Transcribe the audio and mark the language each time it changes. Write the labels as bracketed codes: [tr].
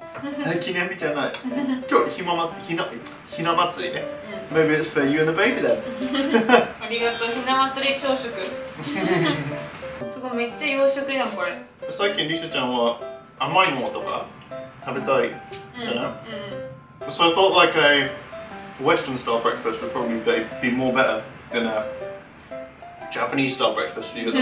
[ja] 今日ひな祭りね。 [en] Maybe it's for you and the baby then. [ja] ありがとう、ひな祭り朝食。すごい、めっちゃ洋食やん、これ。最近、りせちゃんは甘いものとか食べたいじゃない? [en] So I thought like a Western style breakfast would probably be more better than a Japanese style breakfast for you at the